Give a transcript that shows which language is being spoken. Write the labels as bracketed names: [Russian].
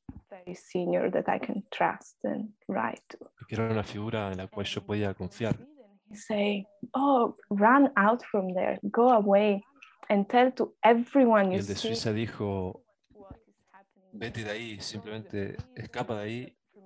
[English] Very senior that I can trust and write to. [Spanish] Era una figura en la cual yo podía confiar. [English] He say, oh, run out from there, go away, and tell to everyone you see. [Spanish] Y el de Suiza dijo, vete de ahí, simplemente escapa de ahí.